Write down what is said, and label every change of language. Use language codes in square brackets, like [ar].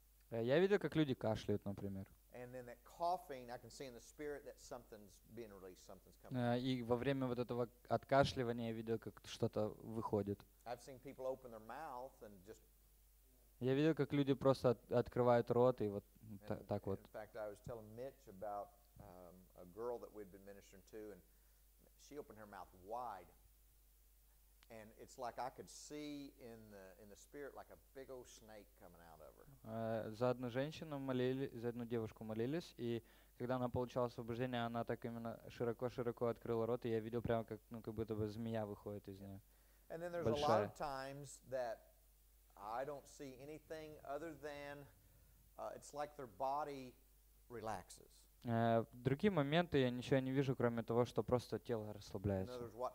[ru] Я видел, как люди кашляют, например. [en] And then that coughing, I can see in the spirit that something's being released, something's coming. [ru] И во время вот этого откашливания я видел, как что-то выходит. [en] I've seen people open their mouth and just. [ru] Я видел, как люди просто открывают рот и вот так вот. [en] In fact, I was telling Mitch about a girl that we'd been ministering to, and she opened her mouth wide. And it's like I could see in the spirit like a big old snake coming out of her. [ru] За одну женщину молились, за одну девушку молились, и когда она получала освобождение, она так именно широко открыла рот, и я видел прямо как, ну, как будто бы змея выходит из неё. [en] And then there's [ru] большая. [en] A lot of times that I don't see anything other than it's like their body relaxes. [ru] Другие моменты я ничего не вижу, кроме того, что просто тело расслабляется.